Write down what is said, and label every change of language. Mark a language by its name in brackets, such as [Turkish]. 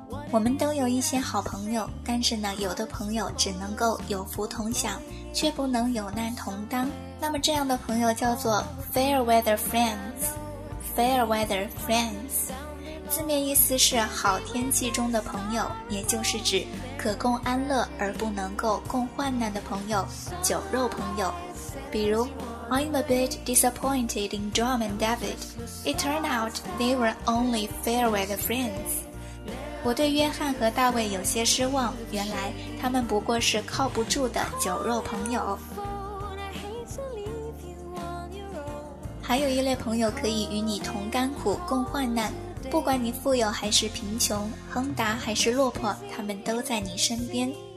[Chinese] 我们都有一些好朋友，但是呢，有的朋友只能够有福同享，却不能有难同当。那么这样的朋友叫做 fair weather friends。fair weather friends 字面意思是好天气中的朋友，也就是指可共安乐而不能够共患难的朋友，酒肉朋友。比如 [English] I'm a bit disappointed in John and David. It turned out they were only fair weather friends. [Chinese] 我对约翰和大卫有些失望，原来他们不过是靠不住的酒肉朋友。还有一类朋友可以与你同甘苦共患难，不管你富有还是贫穷，亨达还是落魄，他们都在你身边。